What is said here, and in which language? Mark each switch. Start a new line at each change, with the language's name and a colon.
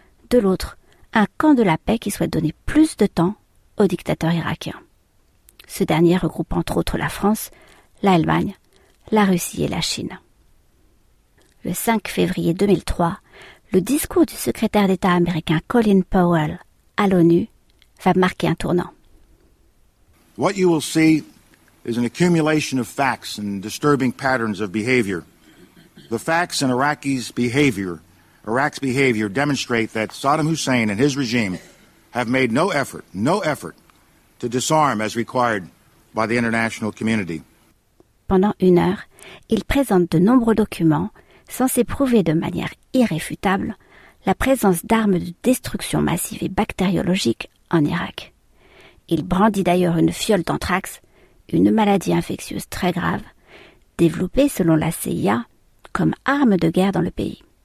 French: De l'autre, un camp de la paix qui souhaite donner plus de temps au dictateur irakien. Ce dernier regroupe entre autres la France, l'Allemagne, la Russie et la Chine. Le 5 février 2003, le discours du secrétaire d'État américain Colin Powell à l'ONU va marquer un tournant.
English: What you will see is an accumulation of facts and disturbing patterns of behavior. The facts and Iraqis' behavior. Iraq's behavior demonstrate that Saddam Hussein and his regime have made no effort to disarm as required by the international community.
French: Pendant une heure, il présente de nombreux documents censés prouver de manière irréfutable la présence d'armes de destruction massive et bactériologique en Irak. Il brandit d'ailleurs une fiole d'anthrax, une maladie infectieuse très grave, développée selon la CIA comme arme de guerre dans le pays.